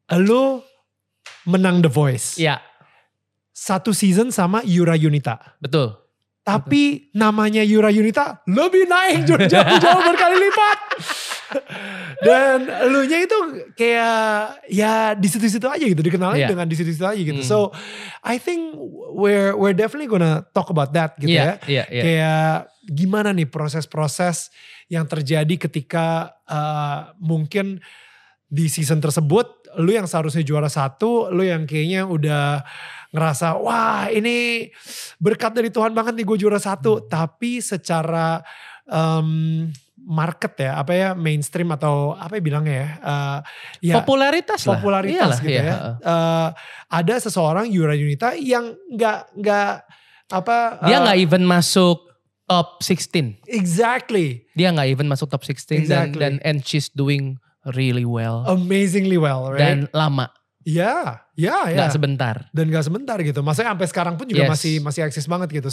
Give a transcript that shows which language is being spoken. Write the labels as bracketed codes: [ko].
[id] Lu menang The Voice. Iya. [en] Yeah. [id] Satu season sama Yura Yunita. Betul. Tapi betul. Namanya Yura Yunita lebih naik jauh-jauh berkali lipat. Dan elunya itu kayak ya di situ-situ aja gitu, dikenalnya dengan di situ-situ aja gitu. [en] So I think we're definitely gonna talk about that [id] gitu ya. [en] Yeah. [id] Kayak gimana nih proses-proses yang terjadi ketika mungkin di season tersebut lu yang seharusnya juara satu, lu yang kayaknya udah ngerasa wah ini berkat dari Tuhan banget nih gue juara satu, tapi secara market ya, apa ya, mainstream atau apa ya bilangnya ya. Ya popularitas lah. Popularitas iyalah, gitu iya. Ya. Ada seseorang Yura Yunita yang gak apa. Dia gak even masuk top 16. [en] Exactly. [id] Dia gak even masuk top 16. [en] Exactly. And she's doing really well. Amazingly well, right? [id] Dan lama. Ya, ya, ya. Gak sebentar. Dan gak sebentar gitu. Maksudnya sampai sekarang pun juga masih eksis banget gitu.